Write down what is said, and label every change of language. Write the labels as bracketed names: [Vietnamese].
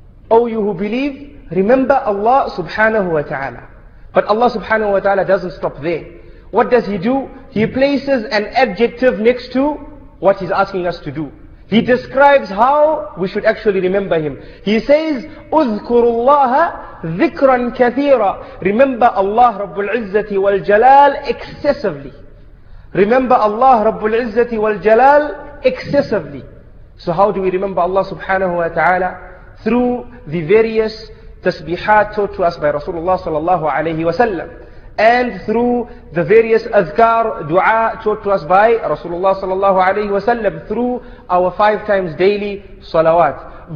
[English] O you who believe, remember Allah subhanahu wa ta'ala. But Allah subhanahu wa ta'ala doesn't stop there. What does He do? He places an adjective next to what He's asking us to do. He describes how we should actually remember Him. He says, [Arabic] اذكروا الله ذكرا كثيرا. [English] Remember Allah Rabbul Izzati wal Jalal excessively. Remember Allah Rabbul Izzati wal Jalal excessively. So how do we remember Allah subhanahu wa ta'ala? Through the various tasbihat taught to us by Rasulullah sallallahu alayhi wa sallam, and through the various azkar, dua taught to us by Rasulullah sallallahu alayhi wa sallam, through our five times daily salawat.